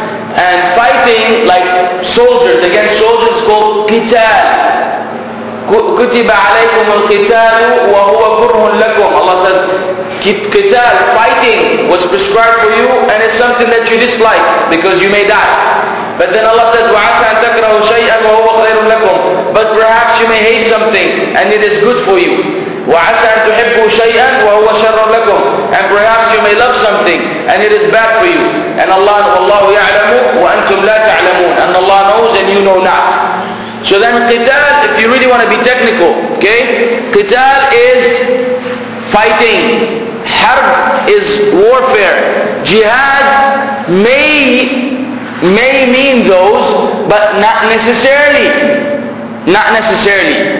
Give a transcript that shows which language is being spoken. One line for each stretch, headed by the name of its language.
English: And fighting like soldiers against soldiers is called qital.
Arabic: كُتِبَ عَلَيْكُمُ الْقِتَالُ وَهُوَ كُرْهٌ لَكُمْ.
English: Allah says, qital, fighting, was prescribed for you and it's something that you dislike because you may die. But then Allah says,
Arabic: وَعَسَى أَن تَكْرَهُ شَيْئًا وَهُوَ خَيْرٌ لَكُمْ.
English: But perhaps you may hate something and it is good for you.
Arabic: وَعَسَى أَن تُحِبُّ شَيْئًا وَهُوَ شَرٌ لَكُمْ.
English: And perhaps you may love something and it is bad for you. And Allah,
Arabic: وَاللَّهُ يَعْلَمُ وَأَنْتُمْ لَا تَعْلَمُونَ.
English: And Allah knows and you know not. So then qital, if you really want to be technical, okay? Qital is fighting. Harb is warfare. Jihad may mean those, but not necessarily. Not necessarily.